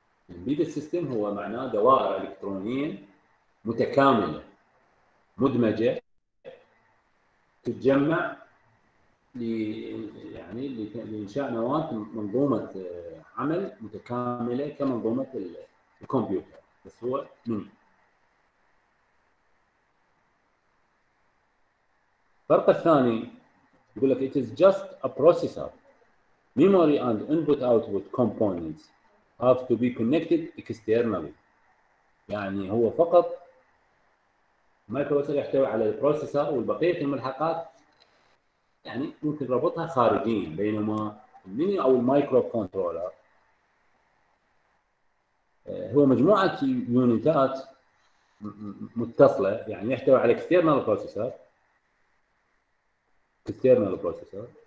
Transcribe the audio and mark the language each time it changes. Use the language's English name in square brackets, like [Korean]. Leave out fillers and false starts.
[Arabic] الامبيدد سيستم هو معناه دوائر الكترونيه متكامله مدمجه تتجمع يعني لانشاء نواه منظومه عمل متكامله كمنظومه الكمبيوتر. بس هو من الفرق الثاني يقول لك [English] it is just a processor. Memory and input-output components have to be connected externally. [Arabic] يعني هو فقط مايكروبروسيسور يحتوي على البروسيسور والبقية الملحقات يعني ممكن ربطها خارجيا. بينما الميني أو المايكرو كنترولر هو مجموعة يونتات متصلة يعني يحتوي على [English] external processor external processor